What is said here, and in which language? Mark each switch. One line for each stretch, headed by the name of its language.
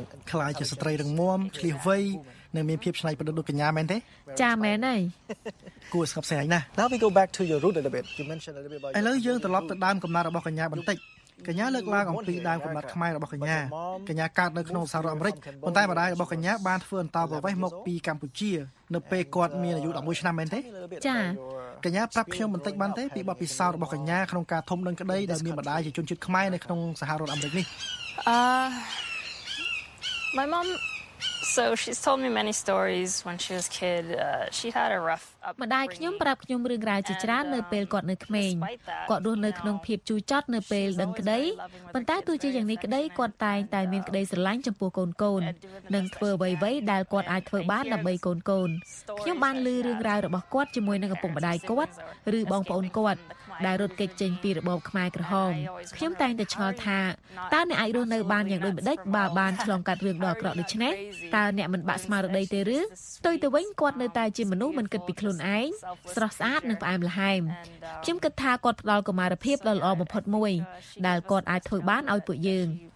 Khmer: ខ្លាចជាស្ត្រីរឹងមាំឆ្លាតវៃនិងមានភាពឆ្នៃប្រឌិតដូចកញ្ញាមែនទេ ចាមែនហើយ គួរស្ងប់ស្ងាត់ណាស់
English: Now we go back to your root a little bit you mentioned a little bit about
Khmer: ឥឡូវយើងត្រឡប់ទៅដើមកំណើតរបស់កញ្ញាបន្តិចកញ្ញាលើកឡើងអំពីដើមកំណើតខ្មែររបស់កញ្ញាកញ្ញាកើតនៅក្នុងសហរដ្ឋអាមេរិកប៉ុន្តែម្ដាយរបស់កញ្ញាបានធ្វើអន្តោប្រវេសន៍មកពីកម្ពុជានៅពេលគាត់មានអាយុ11ឆ្នាំមែនទេ ចា កញ្ញាប្រាប់ខ្ញុំបន្តិចបានទេពីបទពិសោធន៍របស់កញ្ញាក្នុងការធំដឹងក្តីដែលមានម្ដាយជាជនជាតិខ្មែរនៅក្នុងសហរដ្ឋអាមេរិកនេះ
English: My mom so she's told me many stories when she was kid she had a rough
Khmer: ម្ដាយខ្ញុំប្រាប់ខ្ញុំរឿងរ៉ាវជាច្រើននៅពេលគាត់នៅក្មេងគាត់រស់នៅក្នុងភាពជូរចត់នៅពេលដឹងក្តីប៉ុន្តែទោះជាយ៉ាងនេះក្តីគាត់តែងតែមានក្តីស្រឡាញ់ចំពោះកូនកូននិងធ្វើអ្វីៗដែលគាត់អាចធ្វើបានដើម្បីកូនកូន ខ្ញុំបានឮរឿងរ៉ាវរបស់គាត់ជាមួយនឹងឪពុកម្ដាយគាត់ឬបងប្អូនគាត់ដែលរត់គេចចេញពីរបបខ្មែរក្រហមខ្ញុំតែងតែឆ្ងល់ថាតើអ្នកអាចរស់នៅបានយ៉ាងដូចម្ដេចបើបានឆ្លងកាត់រឿងដ៏អាក្រក់ដូច្នេះតើអ្នកមិនបាក់ស្មារតីទេឬផ្ទុយទៅវិញគាត់នៅតែជាមនុស្សមិនគិតពីខ្លួនឯងស្រស់ស្អាតនិងផ្អែមល្ហែមខ្ញុំគិតថាគាត់ផ្ដល់កុមារភាពដ៏ល្អបំផុតមួយដែលគាត់អាចធ្វើបានឲ្យពួកយើង